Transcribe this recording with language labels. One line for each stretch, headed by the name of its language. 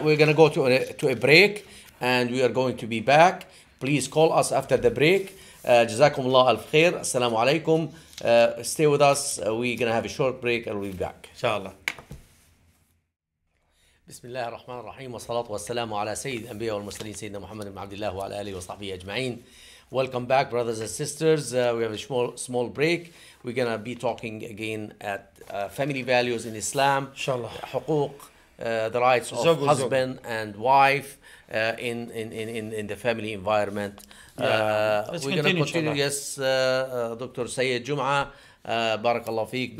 English: We're going to go to a break, and we are going to be back. Please call us after the break. Jazakum Allah al khair. Assalamu alaikum. Stay with us. We're going to have a short break, and we'll be back. Inshallah.
Arabic: بسم الله الرحمن الرحيم، والصلاة والسلام على سيد الأنبياء والمرسلين سيدنا محمد بن عبد الله وعلى آله وصحبه أجمعين.
English: Welcome back, brothers and sisters. We have a small break. We're gonna be talking again at family values in Islam. Inshallah. حقوق, the rights of زوج husband زوج. And wife in the family environment. We're gonna continue.
Arabic: Yes, Dr. Sayyid Jum'a, بارك الله فيك.